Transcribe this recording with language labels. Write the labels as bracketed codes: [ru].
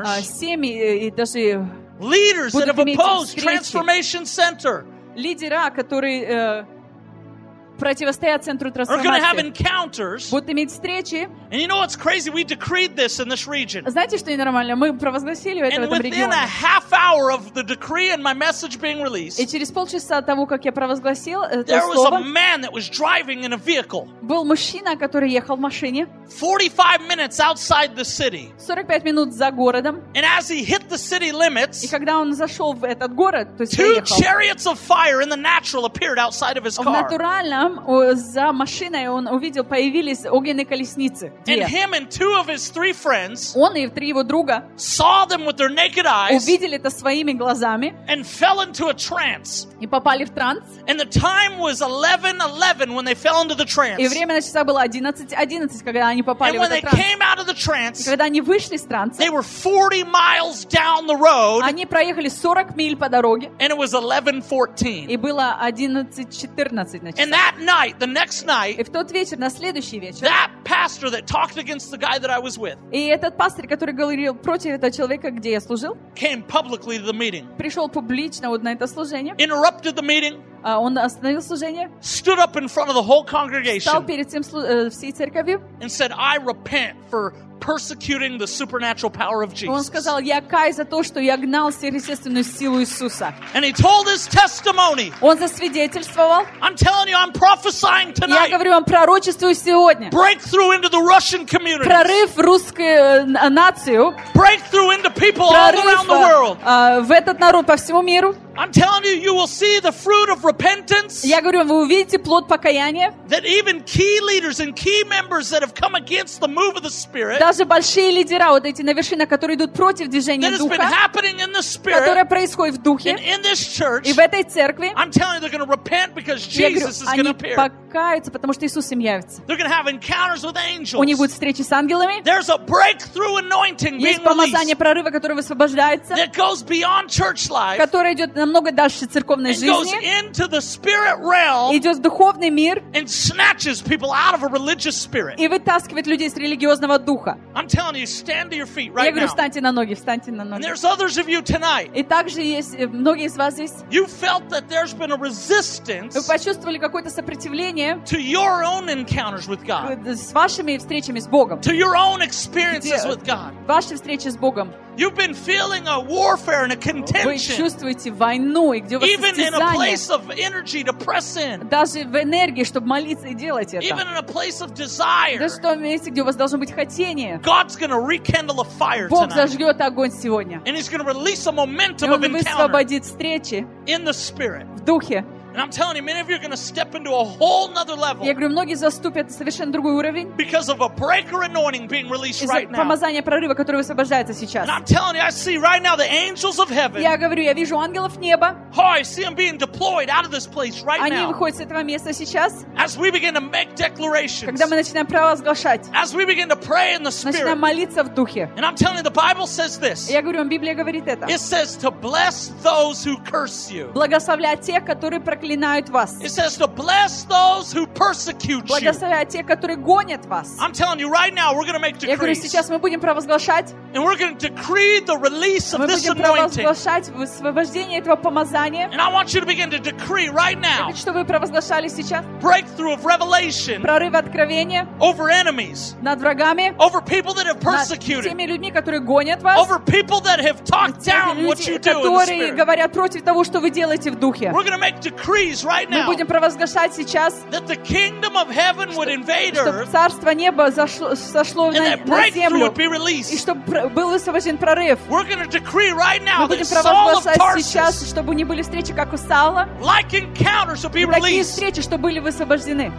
[ru] Семьи и даже [en] leaders that have opposed Transformation Center. [ru] Лидера, которые противостоять центру трансформации. Будут иметь встречи. [en] And you know what's crazy? We decreed this in this region. [ru] Знаете, что ненормально? Мы провозгласили это в этом регионе. [en] And within a half hour of the decree and my message being released. [ru] И через полчаса того, как я провозгласил это слово. [en] There was a man that was driving in a vehicle. [ru] Был мужчина, который ехал в машине. [en] 45 minutes outside the city. [ru] 45 минут за городом. [en] And as he hit the city limits. [ru] И когда он зашел в этот город, то есть [en] two chariots of fire in the natural appeared outside of his car. [ru] В натуральном за машиной он увидел появились огненные колесницы. [en] And him and two of his three friends. [ru] Он и три его друга. [en] Saw them with their naked eyes. [ru] Увидели это своими глазами. [en] And fell into a trance. [ru] И попали в транс. [en] And the time was 11:11 when they fell into the trance. [ru] И время на часах было 11:11, когда они попали в этот транс. И когда они вышли из транса, [en] they were 40 miles down the road. [ru] Они проехали 40 миль по дороге. [en] And it was 11:14. [ru] И было 11:14 на часах. [en] And that night, the next night, [ru] и в тот вечер, на следующий вечер, [en] that pastor that talked against the guy that I was with, [ru] и этот пастор, который говорил против этого человека, где я служил, [en] came publicly to the meeting. [ru] Пришел публично вот на это служение. [en] Interrupted the meeting. [ru] Он остановил служение. [en] Stood up in front of the whole congregation. [ru] Встал перед всей церковью. [en] And said, I repent for persecuting the supernatural power of Jesus. [ru] Он сказал, я каюсь за то, что я гнал сверхъестественную силу Иисуса. [en] And he told his testimony. [ru] Он засвидетельствовал. [en] I'm telling you, I'm prophesying tonight. [ru] Я говорю вам, пророчествую сегодня. [en] Breakthrough into the Russian community. [ru] Прорыв русской нацию. [en] Breakthrough into people all around the world. [ru] В этот народ по всему миру. [en] I'm telling you, you will see the fruit of repentance. [ru] Я говорю, вы увидите плод покаяния. [en] That even key leaders and key members that have come against the move of the Spirit. [ru] Даже большие лидера, вот эти на вершинах, которые идут против движения [en] that [ru] духа, [en] has been happening in the Spirit, [ru] которое происходит в духе, [en] and in this church, [ru] и в этой церкви. [en] I'm telling you, they're going to repent because Jesus [ru] говорю, [en] is going to appear. [ru] Они покаются, потому что Иисус им явится. [en] They're going to have encounters with angels. [ru] У них будут встречи с ангелами. [en] There's a breakthrough anointing being released. [ru] Есть помазание прорыва, которое высвобождается. [en] That goes beyond church life. [ru] Которое идет на много дальше церковной жизни, [en] goes into the spirit realm, [ru] идет в духовный мир [en] and snatches people out of a religious spirit. [ru] И вытаскивает людей из религиозного духа. [en] I'm telling you, stand to your feet right [ru] Я говорю, встаньте на ноги, встаньте на ноги. [en] And there's others of you tonight. [ru] И также есть многие из вас здесь. [en] You felt that there's been a resistance. [ru] Вы почувствовали какое-то сопротивление [en] to your own encounters with God. [ru] С вашими встречами с Богом. [en] To your own experiences with God. [ru] Ваши встречи с Богом. [en] You've been feeling a warfare and a contention. [ru] Вы чувствуете войну, и где у вас [en] even [ru] состязание. [en] In a place of energy to press in. [ru] Даже в энергии, чтобы молиться и делать это. [en] Even in a place of desire. [ru] Даже в том месте, где у вас должно быть хотение. [en] God's going to rekindle a fire [ru] Бог Бог зажжёт огонь сегодня. [en] And he's going to release a momentum of encounter. [ru] И он высвободит встречи. [en] In the spirit. [ru] В духе. [en] And I'm telling you, many of you are going to step into a whole another level. [ru] Я говорю, многие заступят на совершенно другой уровень. [en] Because of a breaker anointing being released right now. [ru] Из-за помазания прорыва, которое высвобождается сейчас. [en] And I'm telling you, I see right now the angels of heaven. [ru] Я говорю, я вижу ангелов неба. [en] Oh, I see them being deployed out of this place right [ru] Они [en] now. [ru] Они выходят с этого места сейчас. [en] As we begin to make declarations. [ru] Когда мы начинаем провозглашать. [en] As we begin to pray in the spirit. [ru] Начинаем молиться в духе. [en] And I'm telling you, the Bible says this. [ru] Я говорю, Библия говорит это. [en] It says to bless those who curse you. [ru] Благословлять тех, которые проклинают вас. [en] It says to bless those who persecute you. [ru] Благословляя тех, которые гонят вас. [en] I'm telling you right now, we're going to make decrees. [ru] Я говорю, сейчас мы будем провозглашать. [en] And we're going to decree the release of this anointing. [ru] Мы будем провозглашать высвобождение этого помазания. [en] And I want you to begin to decree right now. [ru] Я хочу, чтобы вы провозглашали сейчас. [en] Breakthrough of revelation. [ru] Прорыв откровения. [en] Over enemies. [ru] Над врагами. [en] Over people that have persecuted. [ru] Над теми людьми, которые гонят вас. [en] Over people that have talked down what you do in the spirit. [ru] Которые говорят против того, что вы делаете в духе. [en] We're going to make decrees right now. [ru] Мы будем провозглашать сейчас, [en] that the kingdom of heaven would invade earth. [ru] Чтобы царство неба сошло на землю. И чтобы был высвобожден прорыв. [en] We're going to decree right now. [ru] Мы будем провозглашать сейчас, чтобы не были встречи, как у Саула. [en] Like encounters will be released. [ru] Такие встречи, чтобы были высвобождены.